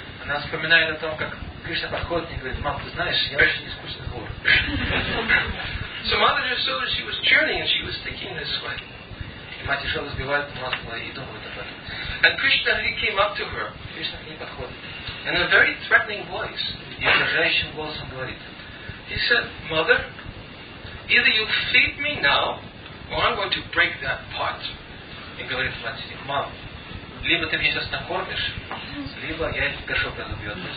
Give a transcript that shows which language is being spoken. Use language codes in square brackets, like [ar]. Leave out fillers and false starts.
[ru] Она вспоминает о том, как Кришна подходит и говорит, "Мам, ты знаешь, я очень искусный вор." [en] So Mother Jasoda, she was churning and she was thinking this way. [ru] Мать Ясода взбивает масло и думает об этом. [en] And Krishna, he came up to her. [ru] Кришна к ней подходит. [en] In a very threatening voice. [ru] И угрожающим голосом говорит. [en] He said, "Mother, either you feed me now, or I'm going to break that pot." [ru] И говорит мать, "Мам, либо ты меня сейчас накормишь, либо я этот горшок разобью.